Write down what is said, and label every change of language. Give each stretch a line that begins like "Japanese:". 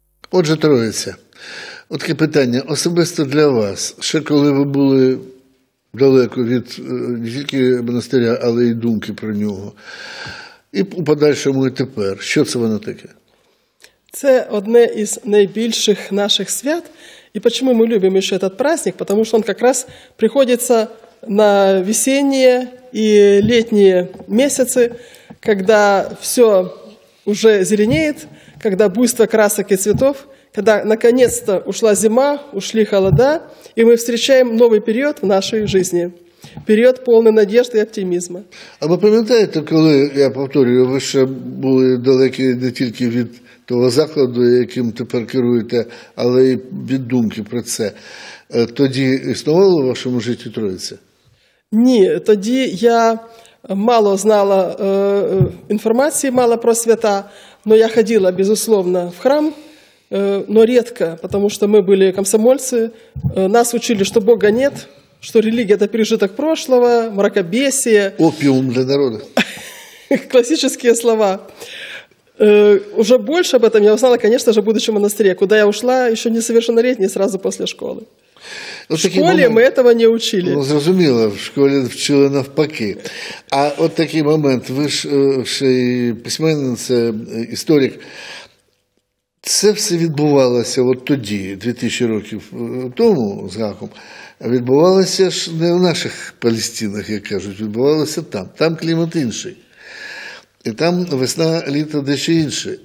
Ukrainian: Отже, Троїця, от таке питання особисто для вас. Ще коли ви були далеко від не тільки монастиря, але й думки про нього. І у подальшому, і тепер. Що це воно таке? Це одне із найбільших наших свят.
Russian: И почему мы любим еще этот праздник? Потому что он как раз приходится на весенние и летние месяцы, когда все уже зеленеет, когда буйство красок и цветов, когда наконец-то ушла зима, ушли холода, и мы встречаем новый период в нашей жизни.
Ukrainian: Період повний надіжди і оптимізму. А ви пам'ятаєте, коли, я повторюю, ви ще були далекі не тільки від того закладу, яким тепер керуєте, але й від думки про це. Тоді існувало в вашому житті Троїця? Ні, тоді я мало знала інформації, мало про свята, але я ходила, безусловно, в храм. Но рідко, тому що ми були комсомольці, нас учили, що Бога нет.
Russian: Что религия – это пережиток прошлого, мракобесие. Опиум для народа. Классические слова. Уже больше об этом я узнала, конечно же, будучи в монастыре, куда я ушла еще несовершеннолетней сразу после школы. Ну, в школе момент... мы этого не учили.
Ukrainian: Ну, зрозуміло, в школе вчили навпаки. А вот такий момент,
Russian: вы же письменница,
Ukrainian: історик. Це все відбувалося от тоді, 2000 років тому, з гаком, відбувалося ж не в наших Палестинах, як кажуть, відбувалося там. Там клімат інший. І там весна, літо дещо інше.